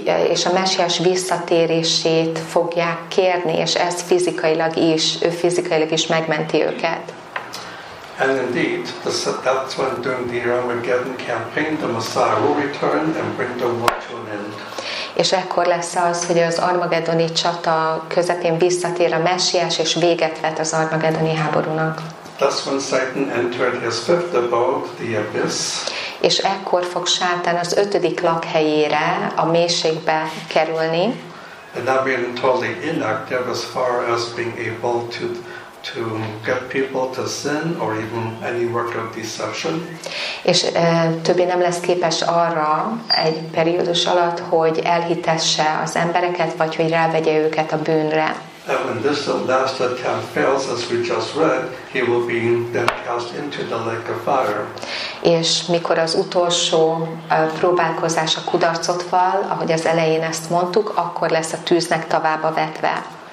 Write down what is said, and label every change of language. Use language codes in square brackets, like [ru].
[hu] És a messiás visszatérését fogják kérni, és ez fizikailag is, ő fizikailag is megmenti őket. [en] And indeed, that's when during the Armageddon campaign, the Messiah will return and bring the war to an end. [hu] És ekkor lesz az, hogy az armagedoni csata közepén visszatér a messiás, és véget vet az armagedoni háborúnak. [en] That's when Satan entered his fifth abode, the abyss. [hu] És ekkor fog Sátán az ötödik lakhelyére, a mélységbe kerülni. [en] And not being totally inactive as far as being able to get people to sin or even any work of deception. [hu] És többé nem lesz képes arra egy periódus alatt, hogy elhitesse az embereket, vagy hogy rávegye őket a bűnre. [en] And when this last attempt fails, as we just read, he will be then cast into the lake of fire. [hu] És mikor az utolsó próbálkozása kudarcot vall, ahogy az elején ezt mondtuk, akkor lesz a tűznek tovább vetve.